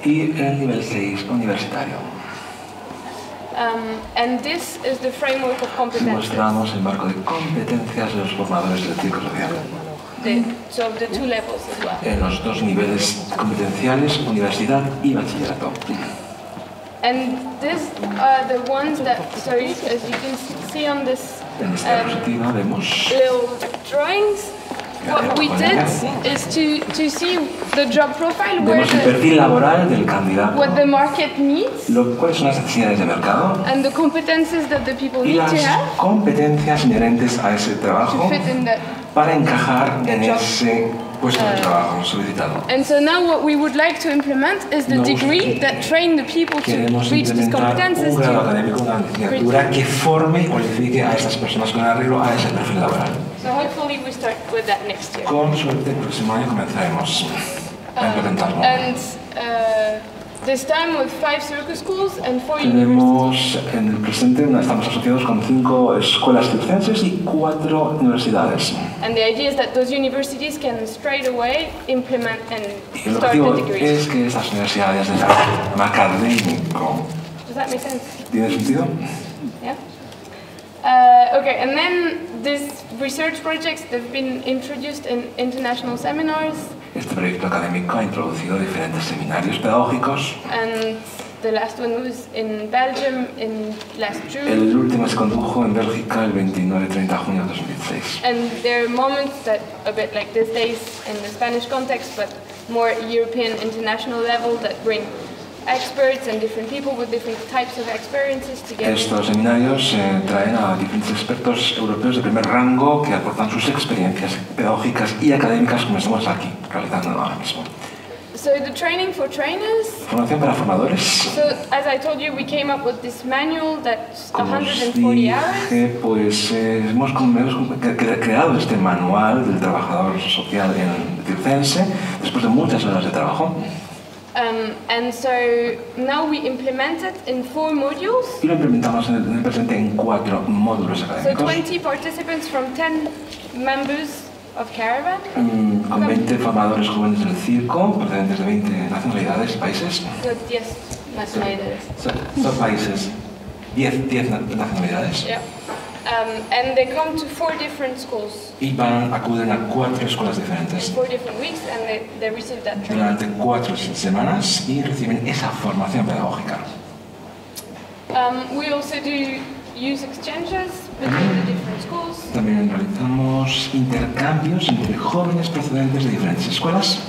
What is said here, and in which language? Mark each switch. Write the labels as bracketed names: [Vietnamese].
[Spanish] Y el nivel 6, universitario. [English] And this is the framework of competencias. [Spanish] Mostramos el marco de competencias de los formadores del circo social. [English] The two levels as well. [Spanish] En los dos niveles competenciales, universidad y bachillerato. [English] And these are the ones that, so as you can see on this little drawings, what we did is to see the job profile where [Spanish] el perfil laboral del candidato, [English] what the market needs, [Spanish] cuáles son las necesidades de mercado, [English] and the competences that the people need to have, [Spanish] y las competencias inherentes a ese trabajo, [English] to fit in that. [Spanish] Para encajar en ese puesto de trabajo solicitado. [English] And so now what we would like to implement is the degree that train the people to reach these competences. [Spanish] Queremos implementar un grado académico, una licenciatura que forme y cualifique a esas personas con arreglo a ese perfil laboral. [English] So hopefully we start with that next year. [Spanish] Con suerte, el próximo año comenzaremos a implementarlo. [English] And this time with 5 circus schools and 4 universities. [Spanish] Tenemos en el presente, estamos asociados con 5 escuelas circenses y 4 universidades. [English] And the idea is that those universities can straight away implement and start the degrees. [Spanish] Y el objetivo es que esas universidades de la forma académico. [English] Does that make sense? [Spanish] ¿Tiene sentido? [English] Yeah. Okay, and then these research projects that have been introduced in international seminars. [Spanish] Este proyecto académico ha introducido diferentes seminarios pedagógicos. [English] And the last one was in Belgium in last June. [Spanish] El último se condujo en Bélgica el 29-30 de junio de 2016. [English] And there are moments that a bit like these days in the Spanish context, but more European international level that bring experts and different people with different types of experiences together. [Spanish] Estos seminarios traen a diferentes expertos europeos de primer rango que aportan sus experiencias pedagógicas y académicas como estamos aquí realizando ahora mismo. [English] So the training for trainers. [Spanish] Formación para formadores. [English] So as I told you, we came up with this manual that's 140 hours. [Spanish] Pues hemos creado este manual del trabajador social en circense después de muchas horas de trabajo. [English] And so now we implement it in 4 modules. [Spanish] Y lo implementamos en el presente en 4 módulos académicos. [English] So 20 participants from 10 members of caravan? [Spanish] Con 20 formadores jóvenes del circo, procedentes de 20 nacionalidades, países. Son 10 nacionalidades. Diez nacionalidades. [English] And they come to 4 different schools. [Spanish] Y acuden a 4 escuelas diferentes. [English] In 4 different weeks, and they receive that training. [Spanish] Durante 4 semanas y reciben esa formación pedagógica. [English] We also do youth exchanges between the different schools. [Spanish] También realizamos intercambios entre jóvenes procedentes de diferentes escuelas.